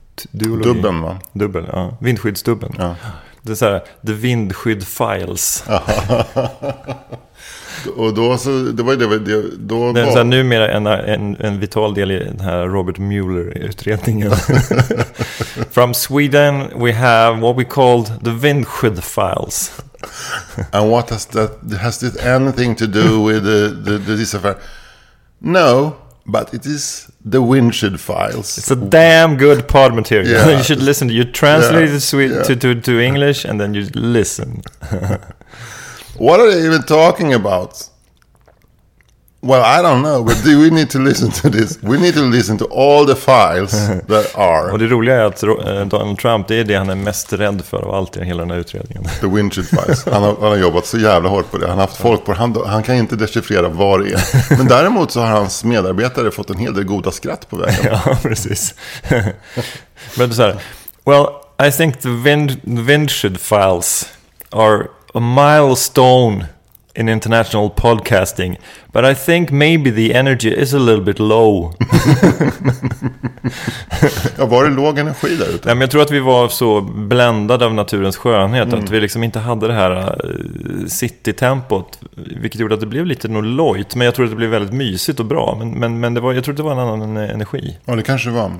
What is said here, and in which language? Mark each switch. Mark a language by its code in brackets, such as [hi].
[sv] dubben, va? Dubben, ja. Vindskyddsdubben. Ja. Det är så här, The Windskydd Files. Och då så det var ju det då det är så här, numera en vital del i den här Robert Mueller utredningen. [en] From Sweden we have what we called the Windskydd Files. And what has this anything to do with the this affair? No, but it is the Windskydd Files. It's a damn good pod material. Yeah. You should listen to you translate it to English and then you listen. What are they even talking about? Well, I don't know, but do we need to listen to this? We need to listen to all the files that are. [sv] Och det roliga är att Donald Trump, det är det han är mest rädd för av allt i hela den här utredningen. [en] The Windshield Files. [sv] Han har jobbat så jävla hårt på det. Han har haft folk på det. Han kan inte dechiffrera vad det är. Men däremot så har hans medarbetare fått en hel del goda skratt på vägen. Ja, precis. Men så här, [en] well, I think the Windshield Files are... a milestone in international podcasting, but I think maybe the energy is a little bit low. [sv] Ja, var det låg energi där ute? Ja, men jag tror att vi var så bländade av naturens skönhet att vi liksom inte hade det här city-tempot, vilket gjorde att det blev lite nollojt, men jag tror att det blev väldigt mysigt och bra, men det var, jag tror att det var en annan energi. Ja, det kanske var.